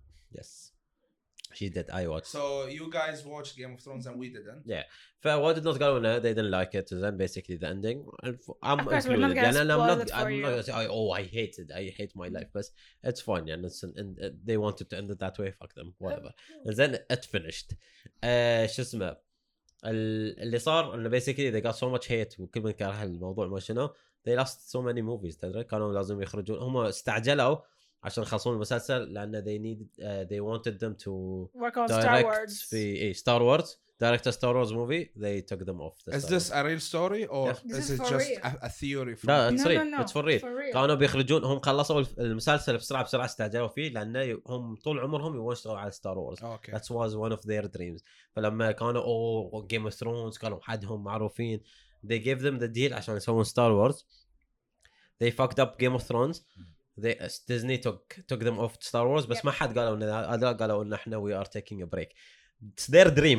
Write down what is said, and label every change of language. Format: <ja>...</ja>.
<en>Yes. She did. I watched. So you guys watched Game of Thrones and we didn't. Yeah. For what did not go on, they didn't like it. Then basically the ending. I'm of course, included. We're not gonna spoil it for you. I'm not gonna say, oh, I hate it. I hate my life. But it's fine. Yeah. And they wanted to end it that way. Fuck them. Whatever. And then it finished.</en> <ar>شو اسمه؟ اللي صار إنه</ar> <en>basically they got so much hate</en> <ar>وكل من كره الموضوع ما شنو.</ar> <en>They lost so many movies.</en> <ar>تدري كانوا لازم يخرجون. هما استعجلوا. عشان خلصون المسلسل لأن</ar> <en>they wanted them to work on direct Star Wars.</en> <ar>في</ar> <en>Star Wars direct a Star Wars movie they took them off the is this a real story or yeah. is it just a theory for no, it's real. No, it's for real.</en> <ar>كانوا بيخرجون هم خلصوا المسلسل بسرعة استعجلوا فيه لأن هم طول عمرهم يشتغلوا على Star Wars</ar> <en>okay. that was one of their dreams</en> <ar>فلما كانوا Game of Thrones كانوا حدهم معروفين</ar> <en>they gave them the deal عشان يسوون Star Wars they fucked up Game of Thrones Disney took them off Star Wars, but yep.</en> <ar>ما حد قالوا إن قالوا إن إحنا</ar> <en>we are taking a break. It's their dream.</en>